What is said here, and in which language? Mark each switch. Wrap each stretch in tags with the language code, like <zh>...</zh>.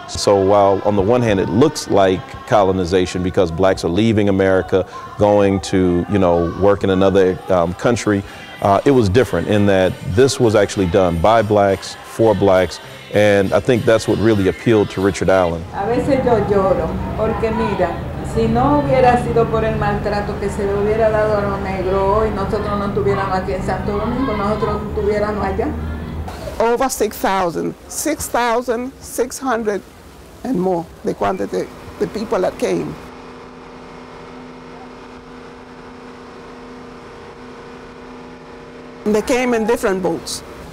<en>So while on the one hand it looks like colonization because blacks are leaving America, going to, you know, work in another country, it was different in that this was actually done by blacks, for blacks, and I think that's what really appealed to Richard Allen.</en> <es>A veces yo lloro, porque mira, si no hubiera sido por el maltrato que se le hubiera dado a los negros hoy, nosotros no estuviéramos aquí en Santo Domingo, nosotros estuviéramos allá.</es> <en>Over 6,600 and more, the quantity, the people that came. And they came in different boats.</en>